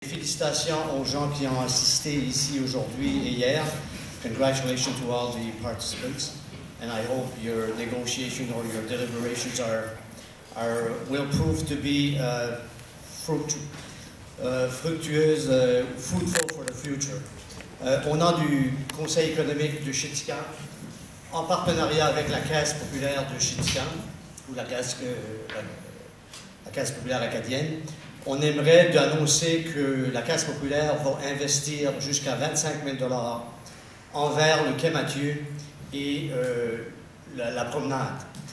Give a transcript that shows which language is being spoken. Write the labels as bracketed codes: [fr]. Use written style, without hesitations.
[fr] félicitations aux gens qui ont assisté ici aujourd'hui et hier. [en] Congratulations to all the participants. And I hope your negotiations or your deliberations will prove to be fruitful for the future. [fr] Au nom du Conseil économique de Chiticamp, en partenariat avec la Caisse populaire de Chiticamp, ou la Caisse populaire acadienne, on aimerait annoncer que la Caisse populaire va investir jusqu'à 25 000 $ envers le Quai Mathieu et la promenade.